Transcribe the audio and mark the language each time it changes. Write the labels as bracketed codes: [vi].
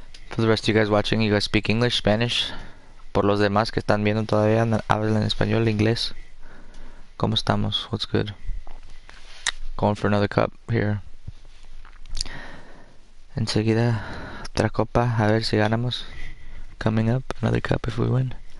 [en] For the rest of you guys watching, you guys speak English, Spanish. [es] Por los demás que están viendo todavía, hablan español, inglés. ¿Cómo estamos? [en] What's good? Going for another cup here. [es] Enseguida, otra copa, a ver si ganamos. [en] Coming up, another cup if we win.